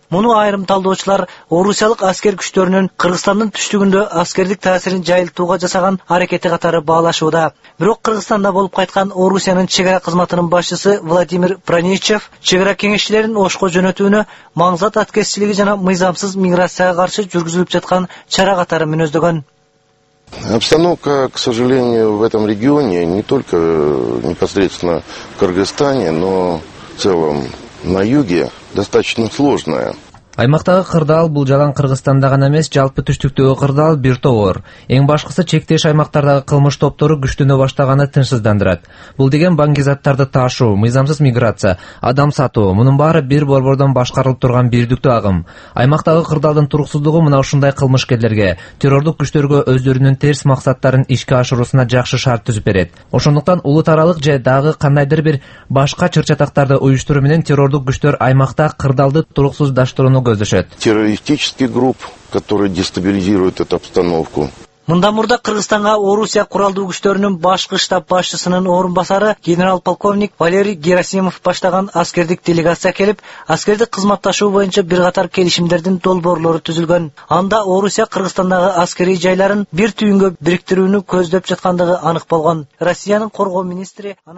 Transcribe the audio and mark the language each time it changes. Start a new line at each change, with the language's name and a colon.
Kyrgyz: Муну айрым талдоочулар орусиялык аскер күчтөрүнүн Кыргызстандын түштүгүндө аскердик таасирин жайылтууга жасаган аракети катары баалашууда. Бирок Кыргызстанда болуп кайткан Орусиянын чек ара кызматынын башчысы Владимир Проничев чек ара кеңешчилерин Ошко жөнөтүүнү маңзат аткезчилиги жана мыйзамсыз миграцияга каршы жүргүзүлүп жаткан чара катары мүнөздөгөн.
Russian: Обстановка, к сожалению, в этом регионе не только непосредственно в Кыргызстане, но в целом на юге достаточно сложная.
Kyrgyz: Аймактагы кырдаал бул жалаң Кыргызстанда гана эмес, жалпы түштүктөгү кырдаал бир тоор. Эң башкысы чектеш аймактардагы кылмыш топтору күчтөнө баштаганы тынчсыздандырат. Бул деген банк заттарды ташуу, мыйзамсыз миграция, адам сатуу, мунун баары бир борбордон башкарылып турган бирдиктүү агым. Аймактагы кырдаалдын туруксуздугу мына ушундай кылмышкерлерге, террордук күчтөргө өздөрүнүн терс максаттарын ишке ашыруусуна жакшы шарт түзүп берет. Ошондуктан улутаралык же дагы кандайдыр бир башка чыр-чатактарды уюштуруу менен террордук күчтөр аймакта кырдаалды туруксуздаштыруу
Russian: террористический групп, который дестабилизирует эту обстановку.
Kyrgyz: Мында мурда Кыргызстанга Орусия куралдуу күчтөрүнүн башкы штаб башчысынын орун басары генерал-полковник Валерий Герасимов баштаган аскердик делегация келип, аскердик кызматташуу боюнча бир катар келишимдердин долбоорлору түзүлгөн. Анда Орусия Кыргызстандагы аскерий жайларын бир түйүнгө бириктирүүнү көздөп жаткандыгы анык болгон. Россиянын коргоо министри